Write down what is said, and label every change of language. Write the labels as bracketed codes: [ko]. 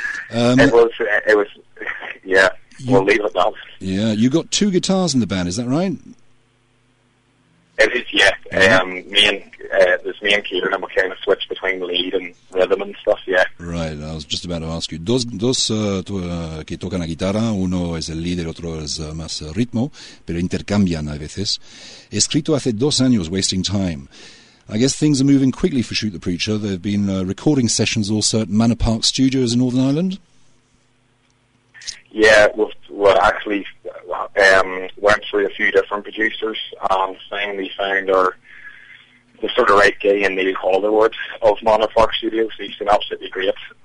[en] It was. Yeah, we'll leave it at that. Yeah, you got two guitars in the band, is that right? It is, yeah. Me and Peter, and we kind of switch between lead and rhythm and stuff, yeah. Right, I was just about to ask you. [es] Dos que tocan la guitarra, uno es el líder, otro es más ritmo, pero intercambian a veces. Escrito hace 2 años, Wasting Time. [en] I guess things are moving quickly for Shoot the Preacher. There have been recording sessions also at Manor Park Studios in Northern Ireland. Yeah, we actually went through a few different producers, saying we found the sort of right guy in Neil Hollywood of Manor Park Studios. He's been absolutely great.